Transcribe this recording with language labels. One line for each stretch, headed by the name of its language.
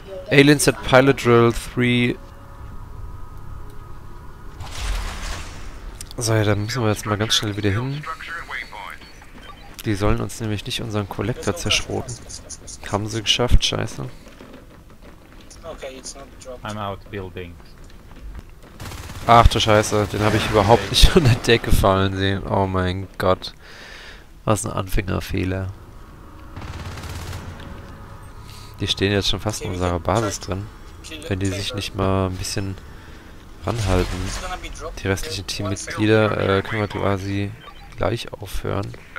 English: Aliens at Pilot Drill 3.
German: So, ja, dann müssen wir jetzt mal ganz schnell wieder hin. Die sollen uns nämlich nicht unseren Collector zerschroten. Haben sie geschafft, scheiße.
English: Okay, it's not dropped. I'm out building.
German: Ach du Scheiße, den habe ich überhaupt nicht von der Decke fallen sehen. Oh mein Gott. Was ein Anfängerfehler. Die stehen jetzt schon fast in unserer Basis drin. Wenn die sich nicht mal ein bisschen ranhalten, die restlichen Teammitglieder können wir quasi gleich aufhören.